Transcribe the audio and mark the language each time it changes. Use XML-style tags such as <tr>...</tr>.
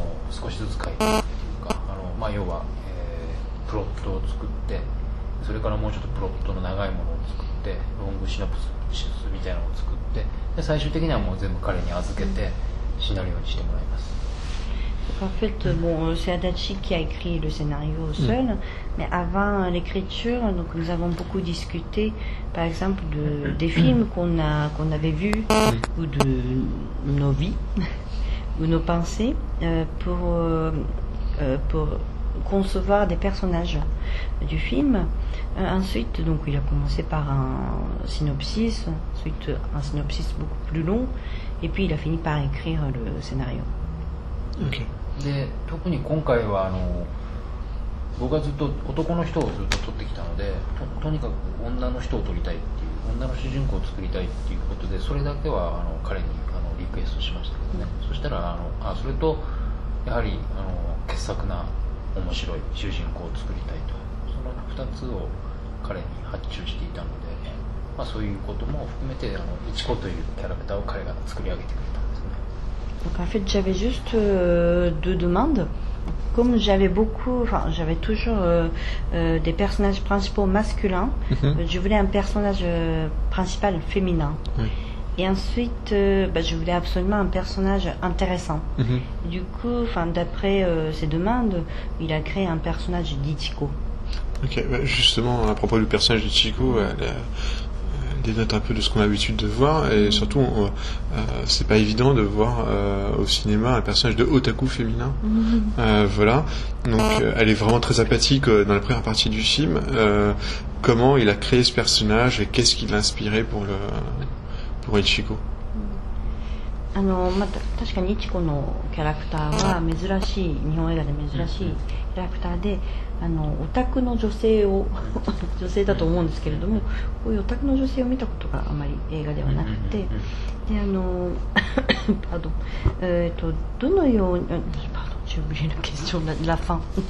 <ja>少しずつ書いていくというか、要は、プロットを作って、それからもうちょっとプロットの長いものを作って、ロングシナプシスみたいなのを作って、で最終的にはもう全部彼に預けてシナリオにしてもらいます。</ja> <fr>En fait, c'est Adachi qui a écrit le scénario seul, mais avant l'écriture, donc nous avons beaucoup discuté, par exemple, des films qu'on avait vus, ou de nos vies, ou nos pensées, pour concevoir des personnages du film. Ensuite, donc, il a commencé par un synopsis beaucoup plus long, et puis il a fini par écrire le scénario. Ok.</fr> <ja>で特に今回は僕はずっと男の人をずっと撮ってきたので、 とにかく女の人を撮りたいっていう、女の主人公を作りたいっていうことで、それだけは彼にリクエストしましたけどね。そしたらそれとやはり傑作な面白い主人公を作りたいと、その2つを彼に発注していたので、まあ、そういうことも含めて、あのイチコというキャラクターを彼が作り上げてくれたんですね。</ja> <fr>Donc en fait, j'avais juste deux demandes. Comme j'avais beaucoup, enfin, j'avais toujours des personnages principaux masculins, je voulais un personnage principal féminin. Et ensuite, je voulais absolument un personnage intéressant. Du coup, enfin, d'après ses demandes, il a créé un personnage d'Ichiko. Ok, bah justement, à propos du personnage d'Ichiko, dénote un peu de ce qu'on a l'habitude de voir, et surtout, c'est pas évident de voir au cinéma un personnage de otaku féminin. Voilà, donc elle est vraiment très apathique dans la première partie du film. Comment il a créé ce personnage et qu'est-ce qui l'a inspiré pour le.</fr> <ja>これ、イチコ。あの、まあ、確かにイチコのキャラクターは珍しい、日本映画で珍しいキャラクターで、あのオタクの女性を女性だと思うんですけれども、こういうオタクの女性を見たことがあまり映画ではなくて、で、あのパドン、どのようにパドン、</ja> <fr>j'ai oublié la question, la fin</fr>